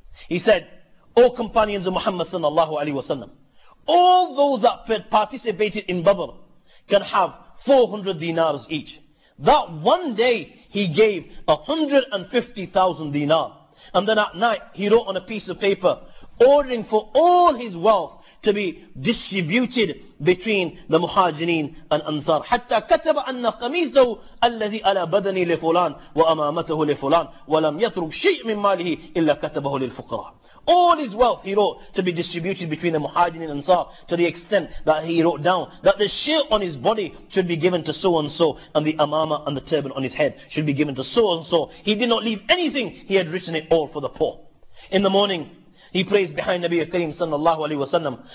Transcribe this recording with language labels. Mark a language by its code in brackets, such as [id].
[en] He said, O companions of Muhammad sallallahu alayhi wa sallam, all those that participated in Badr can have 400 dinars each. That one day he gave 150,000 dinar. And then at night he wrote on a piece of paper, ordering for all his wealth to be distributed between the Muhajirin and Ansar. [ar] حتى كتب أن قميزه الذي على بدني لفلان وأمامته لفلان ولم يترك شيء من ماله إلا كتبه للفقراء. [en] All his wealth he wrote to be distributed between the Muhajirin and Ansar, to the extent that he wrote down that the shirt on his body should be given to so and so, and the amama and the turban on his head should be given to so and so. He did not leave anything. He had written it all for the poor. In the morning, he prays behind Nabi Kareem sallallahu alayhi wa sallam.